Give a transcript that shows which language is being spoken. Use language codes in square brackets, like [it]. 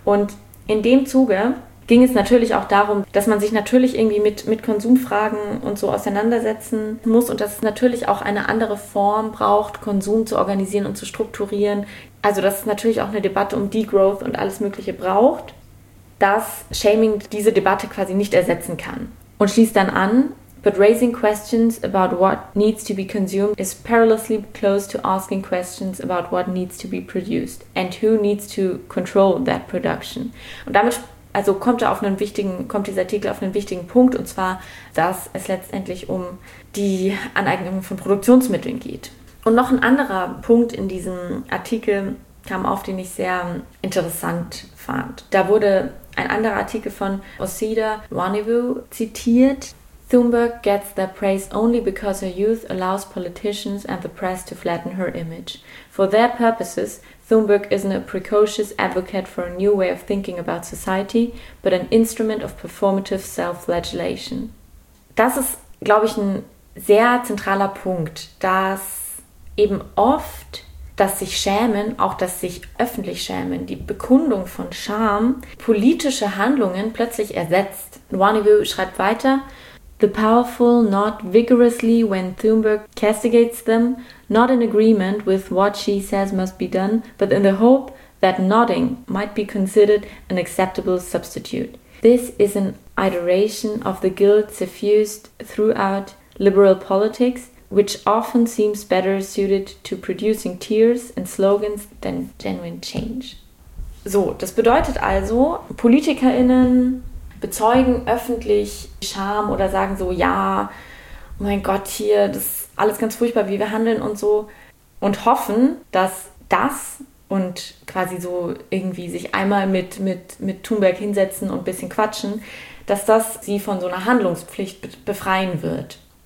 [de] Und in dem Zuge ging es natürlich auch darum, dass man sich natürlich irgendwie mit Konsumfragen und so auseinandersetzen muss und dass es natürlich auch eine andere Form braucht, Konsum zu organisieren und zu strukturieren. Also dass es natürlich auch eine Debatte um Degrowth und alles Mögliche braucht, dass Shaming diese Debatte quasi nicht ersetzen kann. Und schließt dann an, [en] but raising questions about what needs to be consumed is perilously close to asking questions about what needs to be produced and who needs to control that production. [de] Und damit kommt dieser Artikel auf einen wichtigen Punkt, und zwar, dass es letztendlich um die Aneignung von Produktionsmitteln geht. Und noch ein anderer Punkt in diesem Artikel kam auf, den ich sehr interessant fand. Da wurde ein anderer Artikel von Osida Wanivu zitiert. [en] Thunberg gets their praise only because her youth allows politicians and the press to flatten her image. For their purposes, Thunberg isn't a precocious advocate for a new way of thinking about society, but an instrument of performative self-flagellation. [de] Das ist, glaube ich, ein sehr zentraler Punkt, dass eben oft das sich schämen, auch das sich öffentlich schämen, die Bekundung von Scham, politische Handlungen plötzlich ersetzt. Wanivu schreibt weiter, [en] the powerful nod vigorously when Thunberg castigates them, not in agreement with what she says must be done, but in the hope that nodding might be considered an acceptable substitute. This is an iteration of the guilt suffused throughout liberal politics, which often seems better suited to producing tears and slogans than genuine change. [de] So, das bedeutet also, PolitikerInnen bezeugen öffentlich Scham oder sagen so, ja, oh mein Gott, hier, das ist alles ganz furchtbar, wie wir handeln und so. Und hoffen, dass das und quasi so irgendwie sich einmal mit Thunberg hinsetzen und ein bisschen quatschen, dass das sie von so einer Handlungspflicht befreien wird.